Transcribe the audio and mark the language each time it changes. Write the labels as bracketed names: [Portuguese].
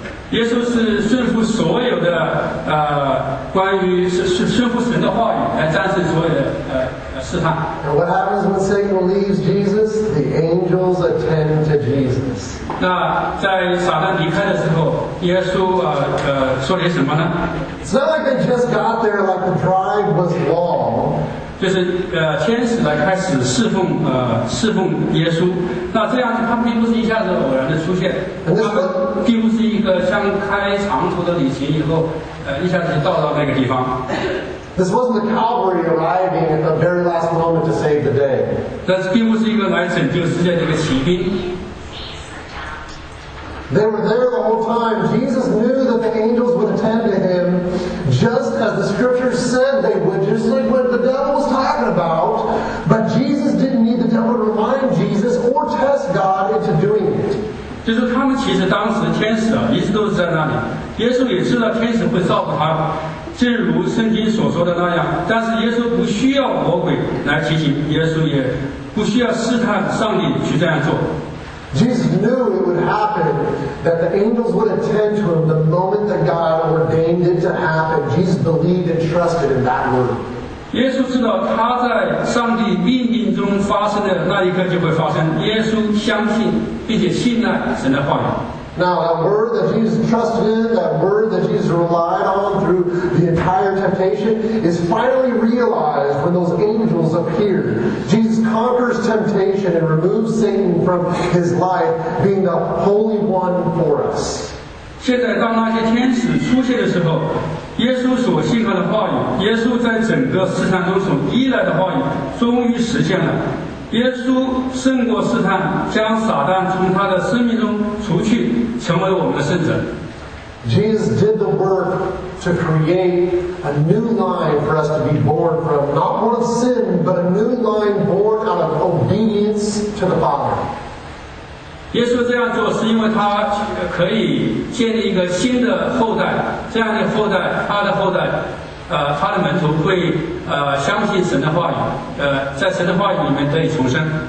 [Chinese] 耶稣是顺服所有的关于顺服神的话语来战胜所有的试探。 [English] And what happens when Satan leaves Jesus? The angels attend to Jesus. [Chinese] 那在撒旦离开的时候，耶稣说了什么呢？ [English] It's not like they just got there like the drive was long. [Chinese] 就是天使来开始侍奉耶稣，那这样他们并不是一下子偶然的出现，他们并不是一个像开长途的旅行以后一下子就到那个地方。 [English] This wasn't the cavalry arriving at the very last moment to save the day. [Chinese] 这并不是一个来拯救世界的一个骑兵。 [English] They were there the whole time. Jesus knew that the angels would attend to him just as the scriptures said they would, just like what the devil was talking about. But Jesus didn't need the devil to remind Jesus or test God into doing it. [Chinese] 就是他们其实当时天使一直都是在那里，耶稣也知道天使会照顾他，正如圣经所说的那样，但是耶稣不需要魔鬼来提醒，耶稣也不需要试探上帝去这样做。 [English] Jesus knew it would happen, that the angels would attend to him the moment that God ordained it to happen. Jesus believed and trusted in that word. [Chinese] 耶稣知道他在上帝命定中发生的那一刻就会发生。耶稣相信并且信赖神的话语。 [English] Now, that word that Jesus trusted in, that word that Jesus relied on through the entire temptation, is finally realized when those angels appear. Jesus conquers temptation and removes Satan from his life, being the Holy One for us. [Chinese] 现在当那些天使出现的时候，耶稣所信靠的话语，耶稣在整个试探中所依赖的话语，终于实现了。耶稣胜过试探，将撒旦从他的生命中除去，成为我们的圣者。 [English] Jesus did the work to create a new line for us to be born from, not one of sin, but a new line born out of obedience to the Father. [Chinese] 耶稣这样做是因为他可以建立一个新的后代，这样的后代，他的后代。他的门徒会相信神的话语，在神的话语里面得以重生。